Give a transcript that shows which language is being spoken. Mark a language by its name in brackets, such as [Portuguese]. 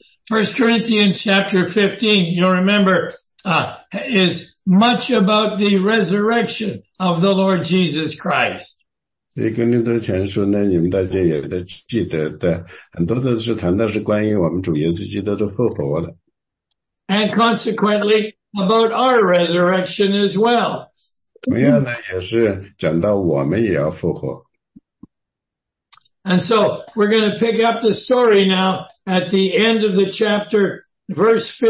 [English] 1 Corinthians chapter 15, you'll remember, is much about the resurrection of the Lord Jesus Christ. [Chinese] 所以格林多前书呢，你们大家也都记得的，很多都是谈到是关于我们主耶稣基督的复活的。 [English] And consequently, about our resurrection as well. [Chinese] 同样呢，也是讲到我们也要复活。 [English] And so we're going to pick up the story now at the end of the chapter, verse